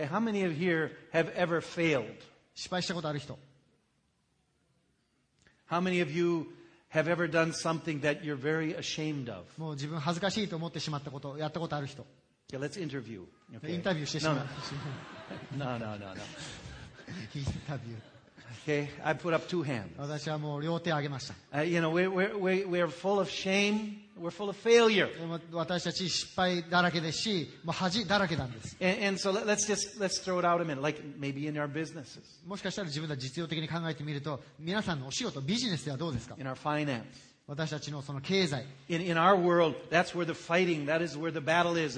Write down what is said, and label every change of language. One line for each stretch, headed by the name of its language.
English: 。 Okay, how many of here have ever failed?
Japanese: 失敗したことある人。
English: How many of you have ever done something that you're very ashamed of?
Japanese: もう自分恥ずかしいと思ってしまったこと、やったことある人。
English: Okay, let's interview. Okay.
Japanese: インタビューしてしまう。
English: No.
Japanese: インタビュー。
English: Okay, I put up two hands.
Japanese: 私はもう両手を挙げました。
English: You know, we're full of shame. We're full of failure. And so let's throw it out a minute, like maybe in our businesses. In our finance. In our world, that's where the fighting, that is where the battle is.